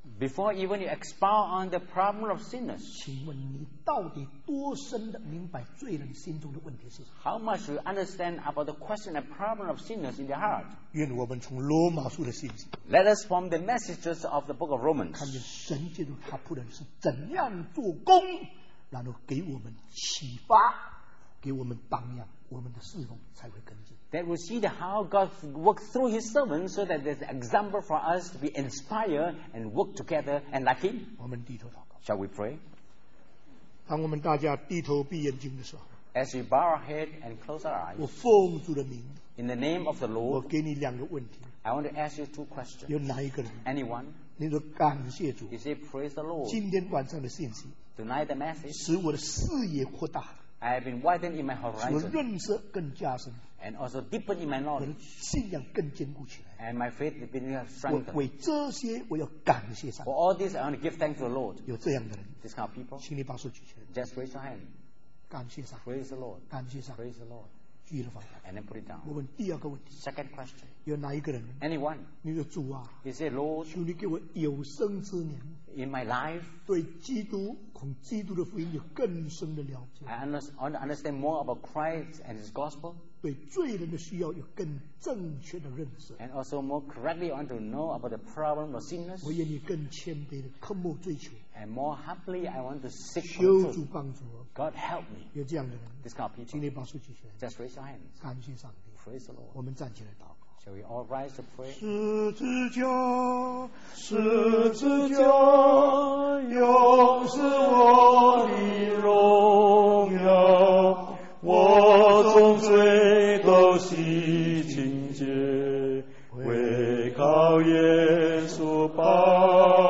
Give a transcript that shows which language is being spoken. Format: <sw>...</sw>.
<en>Before even you expound on the problem of sinners,</en> <zh>请问你到底多深的明白罪人心中的问题是什么？</zh> <en>How much you understand about the question and problem of sinners in the heart?</en> <zh>愿我们从罗马书的信息。</zh> <en>Let us from the messages of the book of Romans.</en> <zh>看见神基督他仆人是怎样做工，然后给我们启发，给我们榜样。我们的侍奉才会跟进。</zh> <en>That we see how God works through His servants, so that there's an example for us to be inspired and work together and like Him.</en> <zh>我们低头祷告。</zh> <en>Shall we pray?</en> <zh>当我们大家低头闭眼睛的时候</zh> <en>，As we bow our head and close our eyes,</en> <zh>我奉主的名</zh> <en>，In the name of the Lord,</en> <zh>我给你两个问题。</zh> <en>I want to ask you two questions.</en> <zh>有哪一个人</zh> <en>？Anyone？</en> <zh>你说感谢主。</zh> <en>You say praise the Lord。</en> <zh>今天晚上的信息</zh> <en>，Tonight the message，</en> <zh>使我的视野扩大。</zh> <en>I have been widened in my horizon，</en> <zh>使我认识更加深。</zh> <en>And also deepened in my knowledge，</en> <zh>我的信仰更坚固起来。</zh> <en>And my faith has been strengthened。</en> <zh>我为这些我要感谢上帝。</zh> <en>For all this, I want to give thanks to the Lord。</en> <zh>有这样的人</zh> <en>，This kind of people，</en> <zh>请你把手举起来。</zh> <en>Just raise your hand。</en> <zh>感谢上帝。</zh> <en>Praise the Lord。</en> <zh>感谢上帝。</zh> <en>Praise the Lord。</en> <zh>举了放下。</zh> <en>And then put it down。</en> <zh>我问第二个问题。</zh> <en>Second question。</en> <zh>有哪一个人</zh> <en>？Anyone？</en> <zh>你的主啊。</zh> <en>He said, Lord，</en> <zh>求你给我有生之年。</zh> <en>In my life，</en> <zh>对基督，恐基督的福音有更深的了解。</zh> <en>I want to understand more about Christ and His gospel。</en> <zh>对罪人的需要有更正确的认识。</zh> <en>And also more correctly, I want to know about the problem of sinners。</en> <zh>我愿意更谦卑的渴慕追求。</zh> <en>And more humbly, I want to seek for truth。</en> <zh>求主帮助我。</zh> <en>God help me。</en> <zh>有这样的人。</zh> <en>This kind of people。</en> <zh>请你把手举起来。</zh> <en>Just raise your hands。</en> <zh>感谢上帝。</zh> <en>Praise the Lord。</en> <zh>我们站起来祷告。</zh> <en>Shall we all rise to pray?</en> <zh>十字架，十字架，又是我的荣耀，我从罪都洗清洁，为靠耶稣宝。</zh>